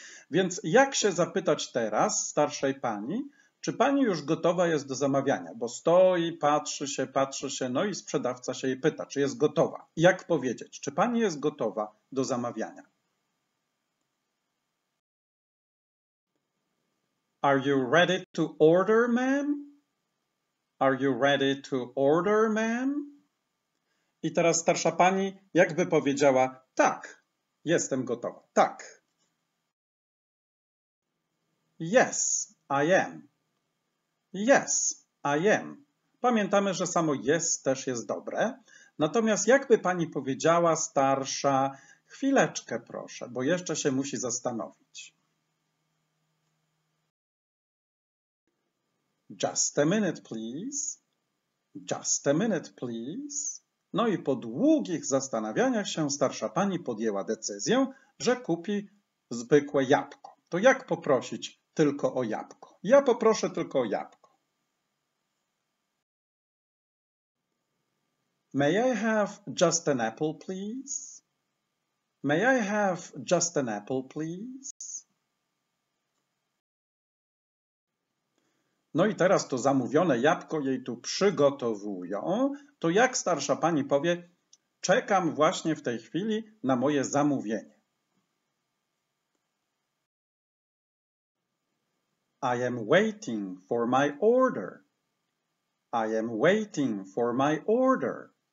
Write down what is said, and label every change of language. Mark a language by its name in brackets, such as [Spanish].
[Polish] Więc jak się zapytać teraz starszej pani, czy pani już gotowa jest do zamawiania? Bo stoi, patrzy się, no i sprzedawca się jej pyta, czy jest gotowa. Jak powiedzieć, czy pani jest gotowa do zamawiania? [English] Are you ready to order, ma'am? Are you ready to order, ma'am? [Polish] I teraz starsza pani jakby powiedziała, tak, jestem gotowa, tak. [English] Yes, I am. Yes, I am. [Polish] Pamiętamy, że samo yes też jest dobre. Natomiast jakby pani powiedziała starsza, chwileczkę proszę, bo jeszcze się musi zastanowić. [English] Just a minute, please. Just a minute, please. [Polish] No i po długich zastanawianiach się starsza pani podjęła decyzję, że kupi zwykłe jabłko. To jak poprosić tylko o jabłko? Ja poproszę tylko o jabłko. [English] May I have just an apple, please? May I have just an apple, please? [Polish] No i teraz to zamówione jabłko jej tu przygotowują. To jak starsza pani powie, czekam właśnie w tej chwili na moje zamówienie. [English] I am waiting for my order. I am waiting for my order.